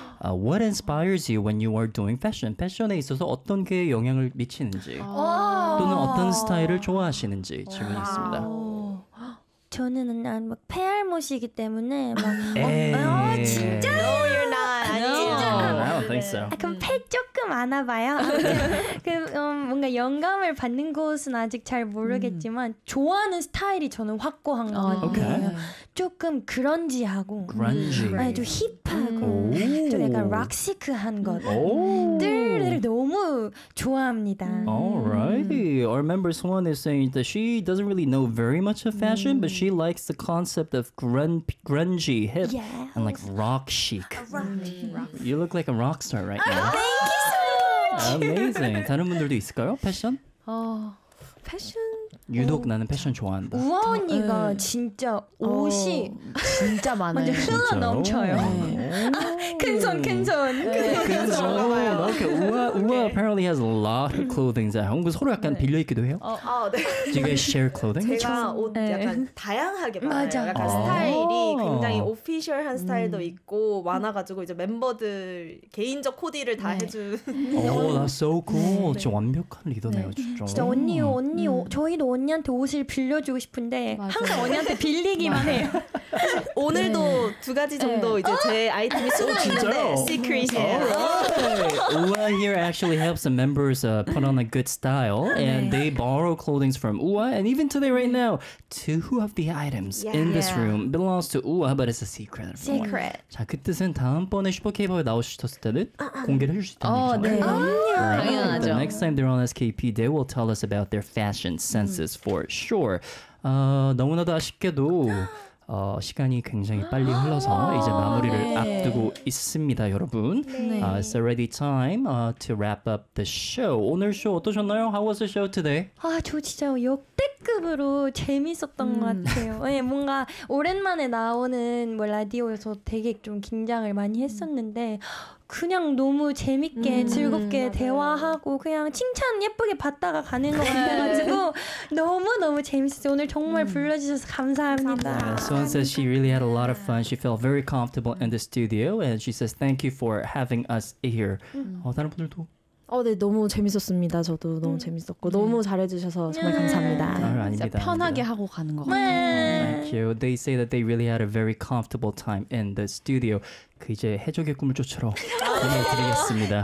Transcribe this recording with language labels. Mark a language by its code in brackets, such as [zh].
[en] What inspires you when you are doing fashion? [ko] 패션에 있어서 어떤 게 영향을 미치는지 또는 어떤 스타일을 좋아하시는지 질문했습니다. 저는 난 막 페알못이기 때문에 막 진짜? [en] No, you're not. No. No. I don't think so. [ko] 그럼 패 조금 아나 봐요. 뭔가 영감을 받는 곳은 아직 잘 모르겠지만 좋아하는 스타일이 저는 확고한 것 같아요. [en] Okay. [ko] 조금 그런지하고 그런지. 아니, 좀 힙하고 좀 약간 락시크한 것들을 너무 좋아합니다. [en] Alright. Our member Swan is saying that she doesn't really know very much of fashion, but she likes the concept of grungy, hip, yes. and like rock chic. You look like a rock star right now. Thank you so much. Amazing. [ko] 다른 분들도 있을까요? 패션? 패션? 유독 나는 패션 좋아한다. 우아 언니가 진짜 옷이 진짜 많아요. 완전 흘러넘쳐요. 큰손. 오케이. 우아 [en] apparently has a lot of clothing. [ko] 그 서로 약간 네. 빌려 입기도 해요? 네. [en] Do you guys share clothing? [ko] 제가 옷 네. 약간 다양하게 많아요. 약간 스타일이 굉장히 오피셜한 스타일도 있고 많아가지고 이제 멤버들 개인적 코디를 다 네. 해준. 오, [en] that's so cool. [ko] 진짜 네. 완벽한 리더네요, 네. 진짜. 진짜 언니 저희도 언니한테 옷을 빌려주고 싶은데 맞아요. 항상 언니한테 빌리기만 해요. 오늘도 네. 두 가지 정도 네. 이제 제 아이템이 수납됐는데 시크릿이에요. [en] Uwa here actually helps the members put on a good style and [ko] 네. [en] they borrow clothing from Uwa and even today right now two of the items yeah. in this room belongs to Uwa but it's a secret. Secret. [ko] 자, 그 뜻은 다음번에 슈퍼케이팝에 나오셨을 때는 공개를 해줄 수 있다는 얘기잖아요. 네. [en] Right. The next time they're on SKP, they will tell us about their fashion senses for sure. [ko] 너무나도 아쉽게도 시간이 굉장히 빨리 흘러서 이제 마무리를 네. 앞두고 있습니다, 여러분. 네. [en] It's already time to wrap up the show. [ko] 오늘 쇼 어떠셨나요? [en] How was the show today? [ko] 아, 저 진짜 역대급으로 재밌었던 것 같아요. 네, 뭔가 오랜만에 나오는 뭐 라디오에서 되게 좀 긴장을 많이 했었는데 그냥 너무 재밌게 즐겁게 맞아요. 대화하고 그냥 칭찬 예쁘게 받다가 가는 것 같아가지고 너무너무 재밌었어요. 오늘 정말 불러주셔서 감사합니다. [en] Swan says she really had a lot of fun. She felt very comfortable in the studio and she says thank you for having us here. [ko] 다른 분들도 네, 너무 재밌었습니다. 저도 너무 재밌었고 너무 잘해주셔서 정말 감사합니다. 아닙니다. 편하게 하고 가는 것 같아요. [en] Thank you. They say that they really had a very comfortable time in the studio. [ko] 그 이제 해적의 꿈을 쫓으러 보내드리겠습니다.